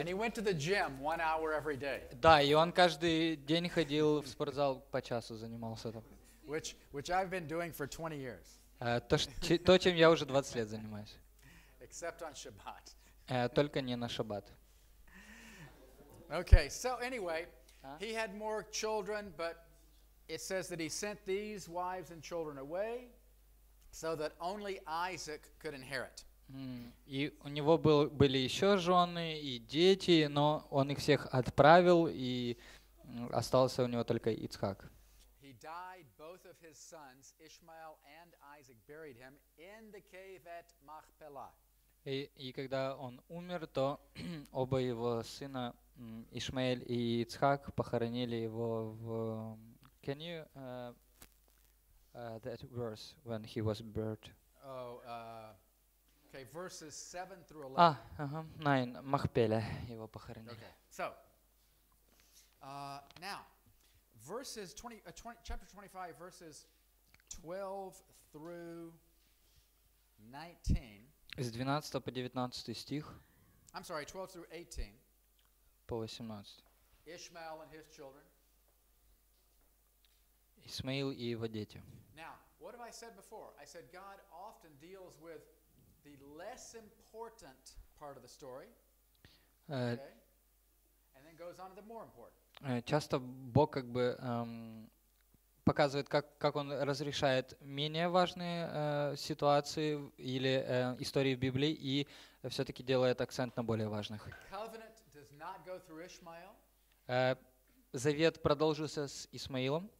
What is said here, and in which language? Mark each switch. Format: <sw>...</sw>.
<en>And he went to the gym 1 hour every day.</en> <ru>Да, и он каждый день ходил в спортзал по часу занимался там.</ru> <en>Which I've been doing for 20 years.</en> <ru>То чем я уже 20 лет занимаюсь.</ru> <en>Except on Shabbat.</en> <ru>Только не на Шаббат.</ru> <en>Okay, so anyway, he had more children, but it says that he sent these wives and children away, so that only Isaac could inherit.</en> <ru>И у него были еще жены и дети, но он их всех отправил, и остался у него только Ицхак.</ru> <en>He died, both of his sons, Ishmael and Isaac, buried him in the cave at Machpelah.</en> <ru>И когда он умер, то оба его сына, Ишмаэль и Ицхак, похоронили его в...</ru> <en>Can you... that verse when he was buried. Oh, okay, verses 7 through 11.</en> <ru>Махпеля его похоронили.</ru> <en>Okay. So, now, verses 20, chapter 25, verses 12 through 19.</en> <ru>Из 12 по 19 стих.</ru> <en>I'm sorry, 12 through 18.</en> <ru>По 18.</ru> <en>Ishmael and his children.</en> <ru>Исмаил и его дети.</ru> <en>Now, what have I said before? I said God often deals with the less important part of the story, okay, and then goes on to the more important.</en> <ru>Часто Бог как бы показывает, как он разрешает менее важные ситуации или истории в Библии и все-таки делает акцент на более важных.</ru> <en>Covenant does not go through Ishmael.</en> <ru>Завет продолжился с Исмаилом.</ru>